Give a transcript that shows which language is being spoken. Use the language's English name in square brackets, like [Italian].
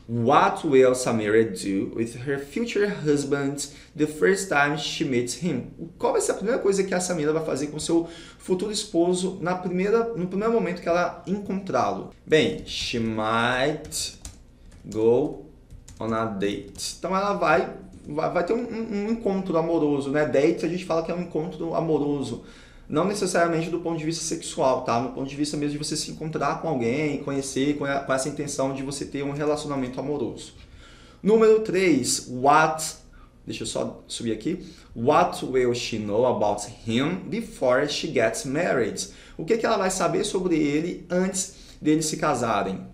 [English] What will Samira do with her future husband the first time she meets him? [Portuguese] Qual vai ser a primeira coisa que a Samira vai fazer com seu futuro esposo no primeiro momento que ela encontrá-lo? [English] Bem, she might go on a date. [Portuguese] Então ela vai ter um encontro amoroso, né? Date a gente fala que é um encontro amoroso. Não necessariamente do ponto de vista sexual, tá? No ponto de vista mesmo de você se encontrar com alguém, conhecer, com essa intenção de você ter um relacionamento amoroso. Número 3, deixa eu só subir aqui. [English] What will she know about him before she gets married? [Portuguese] O que ela vai saber sobre ele antes deles se casarem?